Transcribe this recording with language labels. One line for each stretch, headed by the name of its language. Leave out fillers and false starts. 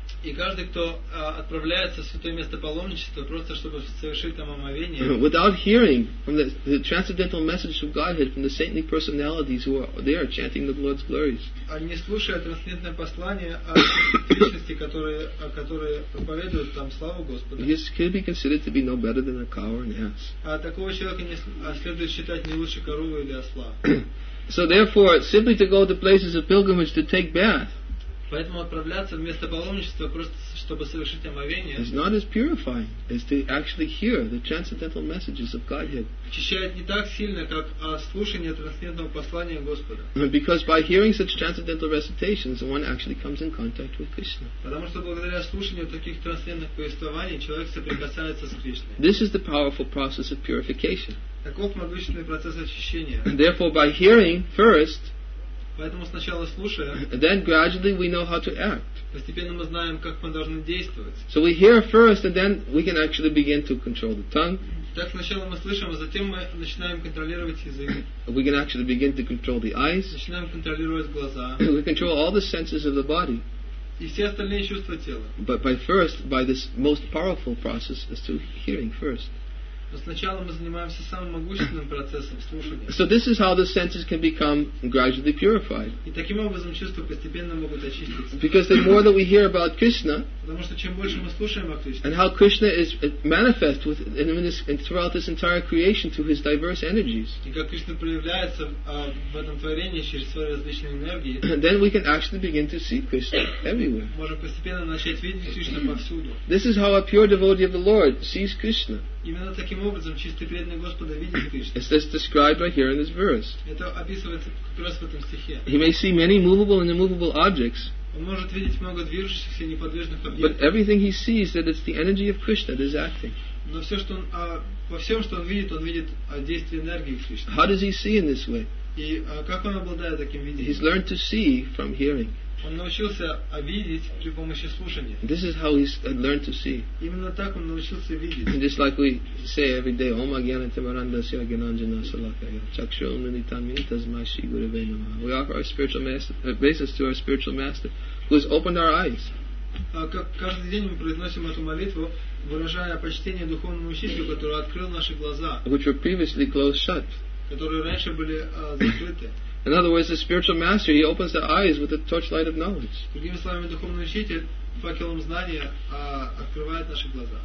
Russian: И каждый, кто отправляется в святое место паломничества просто чтобы совершить там омовение.
English: Without hearing from the transcendental message of Godhead from the saintly personalities who are there chanting the Lord's glories.
Russian: Не слушая трансцендентное послание от личности, которые проповедуют там славу Господа.
English: He could be considered to be no better than a cow or an ass.
Russian: А такого человека не следует считать не лучше коровы или осла.
English: So therefore, simply to go to places of pilgrimage to take bath.
Russian: Поэтому отправляться вместо паломничества просто чтобы совершить омовение.
English: It's not as purifying as to actually hear the transcendental messages of Godhead.
Russian: Очищает не так сильно, как слушание трансцендентного послания Господа.
English: Because by hearing such transcendental recitations, one actually comes in contact with Krishna.
Russian: Потому что благодаря слушанию таких трансцендентных повествований человек соприкасается с Кришной.
English: This is the powerful process of purification.
Russian: Таков могущественный процесс очищения.
English: Therefore, by hearing first.
Russian: Поэтому сначала слушая.
English: Then gradually we know how to act.
Russian: Постепенно мы знаем, как мы должны действовать.
English: So we hear first, and then we can actually begin to control the tongue.
Russian: Так сначала мы слышим, а затем мы начинаем контролировать язык.
English: We can actually begin to control the eyes.
Russian: Начинаем контролировать глаза.
English: We control all the senses of the body.
Russian: И все остальные чувства тела.
English: But by first, by this most powerful process, is to hearing first.
Russian: Сначала мы занимаемся самым могущественным процессом слушания.
English: So this is how the senses can become gradually purified.
Russian: И таким образом чувства постепенно могут очиститься.
English: Because the more that we hear about Krishna,
Russian: потому что чем больше мы слушаем о Кришне,
English: and how Krishna is manifest throughout this entire creation through his diverse energies,
Russian: и как Кришна проявляется в этом творении через свои различные энергии,
English: then we can actually begin to see Krishna everywhere.
Russian: Можем постепенно начать видеть Кришну повсюду.
English: This is how a pure devotee of the Lord sees Krishna.
Russian: Именно таким образом чистый преданный Господа видит Кришну.
English: It's this described right here in this verse.
Russian: Это описывается как раз в этом стихе.
English: He may see many movable and immovable objects.
Russian: Он может видеть много движущихся и неподвижных объектов.
English: But everything he sees that it's the energy of Krishna that is acting.
Russian: Но все, что он, во всем, что он видит действие энергии Кришны.
English: How does he see in this way?
Russian: И как он обладает таким видением?
English: He's learned to see from hearing.
Russian: Он научился видеть при помощи слушания.
English: This is how he's learned to see.
Russian: Именно так он научился видеть.
English: Just like we say every day,
Sanskrit: Om Agyana Timaranda Sya Gyananjana Salakaya Chakshul Nilitam Yintas Mai Shri Gurave Namaha.
English: We offer our spiritual master, basis to our spiritual master who has opened our eyes.
Russian: Каждый день мы произносим эту молитву, выражая почтение духовному учителю, который открыл наши глаза.
English: Which were previously closed shut.
Russian: Которые раньше были закрыты.
English: In other words, the spiritual master, he opens the eyes with the torchlight of knowledge.
Russian: Другими словами, духовный учитель факелом знания открывает наши глаза.